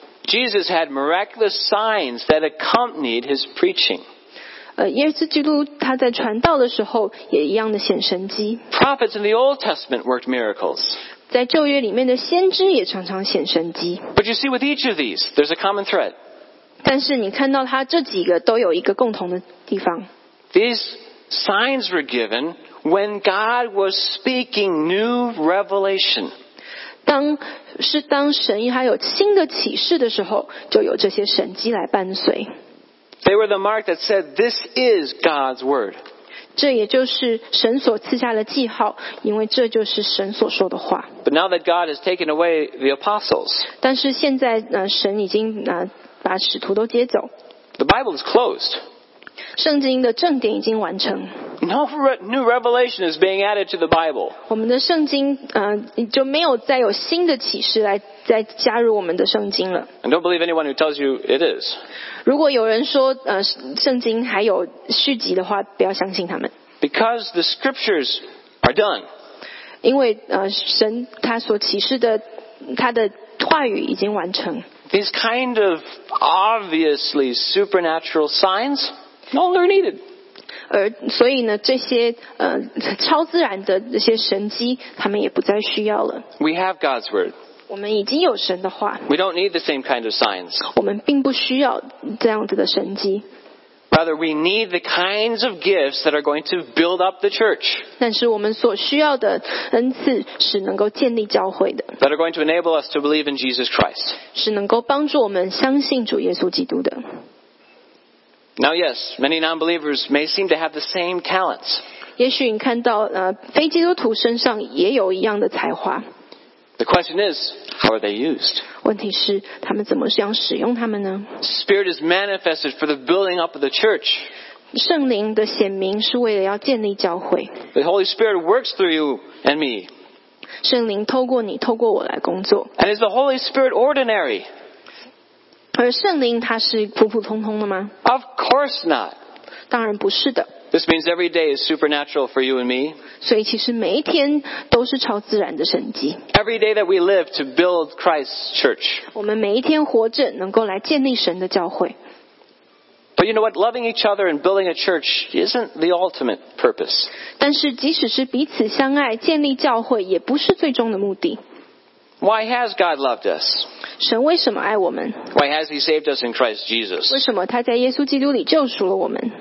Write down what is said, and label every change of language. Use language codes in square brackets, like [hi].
[en] Jesus had miraculous signs that accompanied his preaching. [zh] 耶稣基督他在传道的时候也一样的显神迹。 [en] Prophets in the Old Testament worked miracles. [zh] 在旧约里面的先知也常常显神迹。 [en] But you see with each of these, there's a common thread. [zh] 但是你看到他这几个都有一个共同的地方。 [en] These signs were given when God was speaking new revelation. [zh] 当神还有新的启示的时候，就有这些神迹来伴随。 [en] They were the mark that said, "This is God's word." [zh] 这也就是神所赐下的记号，因为这就是神所说的话。 [en] But now that God has taken away the apostles, [zh] 但是现在神已经把使徒都接走。 [en] The Bible is closed. [zh] 圣经的正典已经完成。 [en] No new revelation is being added to the Bible. [zh] 我们的圣经就没有再有新的启示来再加入我们的圣经了。 [en] I don't believe anyone who tells you it is. [zh] 如果有人说圣经还有续集的话，不要相信他们。 [en] Because the scriptures are done. [zh] 因为神他所启示的他的话语已经完成。 [en] These kind of obviously supernatural signs. No longer needed. [zh] 所以呢，这些超自然的这些神迹，他们也不再需要了。 [en] We have God's word. [zh] 我们已经有神的话。 [en] We don't need the same kind of signs. [zh] 我们并不需要这样子的神迹。 [en] Rather, we need the kinds of gifts that are going to build up the church. [zh] 但是我们所需要的恩赐是能够建立教会的。 [en] That are going to enable us to believe in Jesus Christ. [zh] 是能够帮助我们相信主耶稣基督的。 [en] Now, yes, many non-believers may seem to have the same talents. [zh] 也许你看到非基督徒身上也有一样的才华。 [en] The question is, how are they used? [zh] 问题是他们怎么这样使用他们呢？ [en] Spirit is manifested for the building up of the church. [zh] 圣灵的显明是为了要建立教会。 [en] The Holy Spirit works through you and me. [zh] 圣灵透过你，透过我来工作。 [en] And is the Holy Spirit ordinary? [zh] 而圣灵它是普普通通的吗？ [en] Of course not. [zh] 当然不是的。 [en] This means every day is supernatural for you and me. [zh] 所以其实每一天都是超自然的神迹。 [en] Every day that we live to build Christ's church. [zh] 我们每一天活着能够来建立神的教会。 [en] But you know what? Loving each other and building a church isn't the ultimate purpose. [zh] 但是即使是彼此相爱，建立教会也不是最终的目的。 [en] Why has God loved us? [zh] 神为什么爱我们？ [en] Why has He saved us in Christ Jesus? [zh] 为什么他在耶稣基督里救赎了我们？